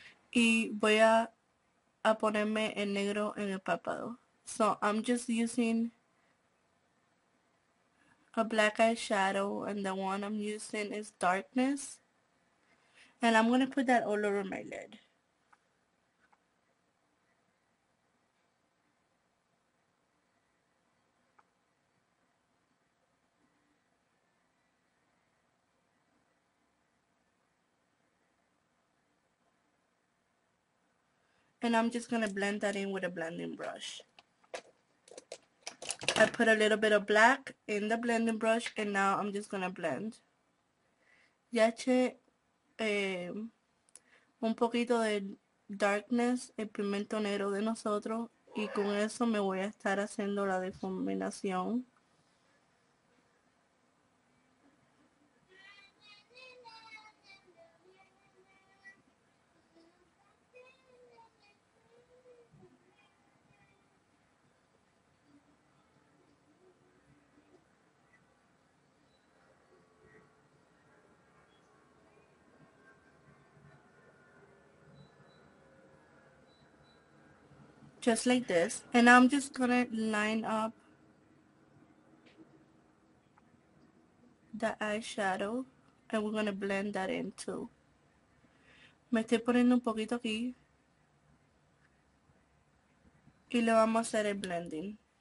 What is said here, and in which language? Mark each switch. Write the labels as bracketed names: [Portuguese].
[Spanish] Y voy a ponerme el negro en el párpado. [English] So I'm just using a black eyeshadow and the one I'm using is darkness. And I'm gonna put that all over my lid. And I'm just gonna blend that in with a blending brush. I put a little bit of black in the blending brush and now I'm just gonna blend. [Spanish] Ya eché un poquito de darkness, el pimiento negro de nosotros, y con eso me voy a estar haciendo la difuminación. [English] just like this, and I'm just gonna line up the eyeshadow, and we're gonna blend that in too. [Spanish] Me estoy poniendo un poquito aquí y le vamos a hacer el blending.